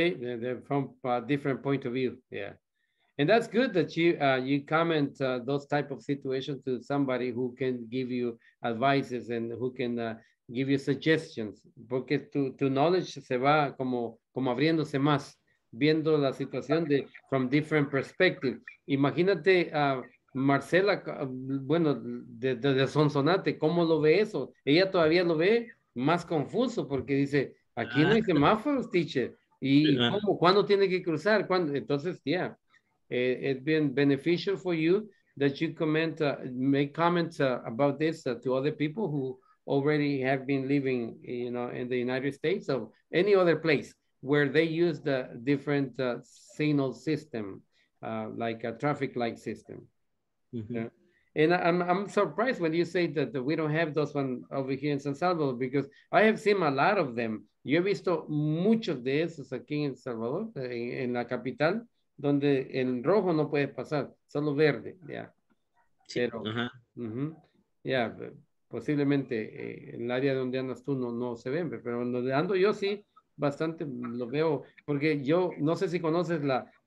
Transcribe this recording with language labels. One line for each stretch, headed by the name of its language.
English: Sí, they're from a different point of view, yeah. And that's good that you comment those type of situations to somebody who can give you advices and who can give you suggestions,
Spanish: porque tu knowledge se va como abriéndose más, viendo la situación de
English: from different perspectives.
Spanish: Imagínate, Marcela, bueno, de Sonsonate, ¿cómo lo ve eso? Ella todavía lo ve más confuso porque dice, aquí no hay semáforos, teacher. ¿Y cómo? ¿Cuándo tiene que cruzar? ¿Cuándo?
English: Entonces, yeah, it's been beneficial for you that you comment, make comments about this to other people who already have been living, you know, in the United States or any other place where they use the different signal system, like a traffic light system. Mm-hmm. Yeah. And I'm surprised when you say that we don't have those one over here in San Salvador, because I have seen a lot of them.
Spanish: Yo he visto muchos de esos aquí en Salvador, en la capital, donde en rojo no puedes pasar, solo verde, ya.
English: Yeah.
Spanish: Sí. Pero, uh-huh. Uh-huh. Yeah, posiblemente en el área donde andas tú no se ven, pero donde ando yo sí, bastante lo veo, porque yo no sé si conoces la